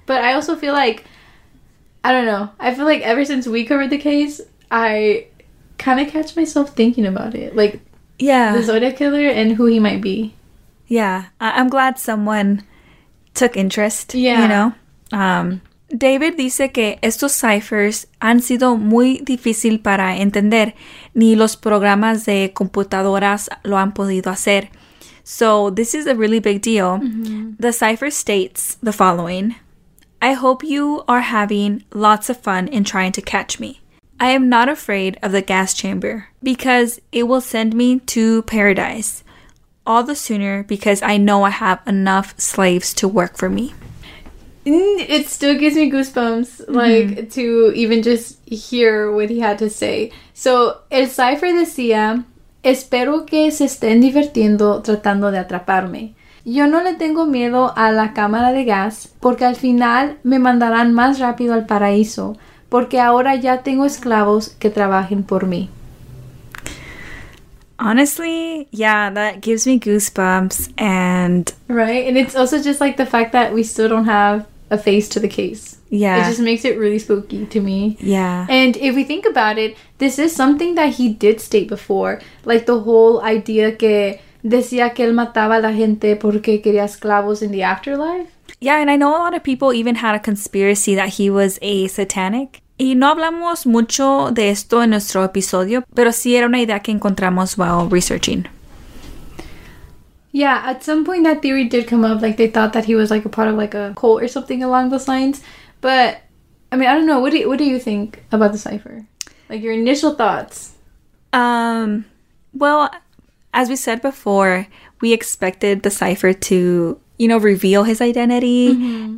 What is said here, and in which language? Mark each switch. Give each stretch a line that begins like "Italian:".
English: But I also feel like, I don't know, I feel like ever since we covered the case, I kind of catch myself thinking about it. Like, yeah, the Zodiac Killer and who he might be. Yeah, I'm glad someone took interest, you know?
Spanish: David dice que estos ciphers han sido muy difícil para entender, ni los programas de computadoras lo han podido hacer.
English: So this is a really big deal. Mm-hmm. The cipher states the following. I hope you are having lots of fun in trying to catch me. I am not afraid of the gas chamber because it will send me to paradise. All the sooner because I know I have enough slaves to work for me. It still gives me goosebumps, like, mm-hmm. to even just hear what he had to say.
Spanish: So, el cipher decía, espero que se estén divirtiendo tratando de atraparme. Yo no le tengo miedo a la cámara de gas, porque al final me mandarán más rápido al paraíso, porque ahora ya tengo esclavos que trabajen por mí.
English: Honestly, yeah, that gives me goosebumps and... Right? And it's also just like the fact that we still don't have a face to the case. Yeah. It just makes it really spooky to me. Yeah. And if we think about it, this is something that he did state before. Like the whole idea
Spanish: que decía que él mataba a la gente porque quería esclavos
English: in the afterlife. Yeah, and I know a lot of people even had a conspiracy that he was a satanic.
Spanish: Y no hablamos mucho de esto en nuestro episodio, pero sí era una idea que encontramos
English: while researching. Yeah, at some point that theory did come up, like they thought that he was like a part of like a cult or something along those lines. But, I mean, I don't know, what do you think about the cipher? Like your initial thoughts? Well, as we said before, we expected the cipher to, you know, reveal his identity mm-hmm.